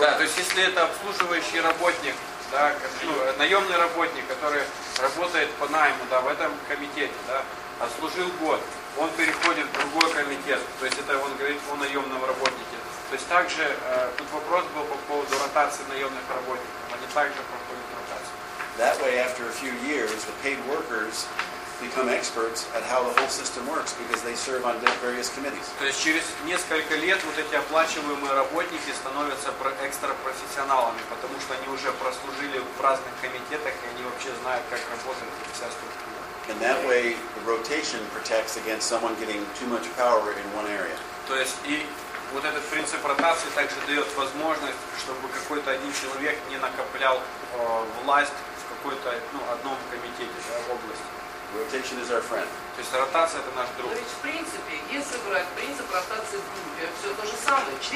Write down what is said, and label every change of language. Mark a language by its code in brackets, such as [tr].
[ru] Да, то есть если это обслуживающий работник, да, наемный работник, который работает по найму, да, в этом комитете, да, отслужил год, он переходит в другой комитет. То есть это он говорит о наемном работнике. То есть также тут вопрос был по поводу ротации наемных работников. Они также проходят ротацию. [en] That way, after a few years, the paid workers become experts at how the whole system works because they serve on various committees. [ru] То есть через несколько лет вот эти оплачиваемые работники становятся экстрапрофессионалами, потому что они уже прослужили в разных комитетах, и они вообще знают, как работает вся структура. [en] And that way, the rotation protects against someone getting too much power in one area. [ru] То есть и вот этот принцип ротации также дает возможность, чтобы какой-то один человек не накоплял власть в какой-то одном комитете, да, в области. [en] Rotation is our friend. [ru] То есть ротация это наш друг. То есть в принципе, если брать принцип ротации в группе, все то же самое.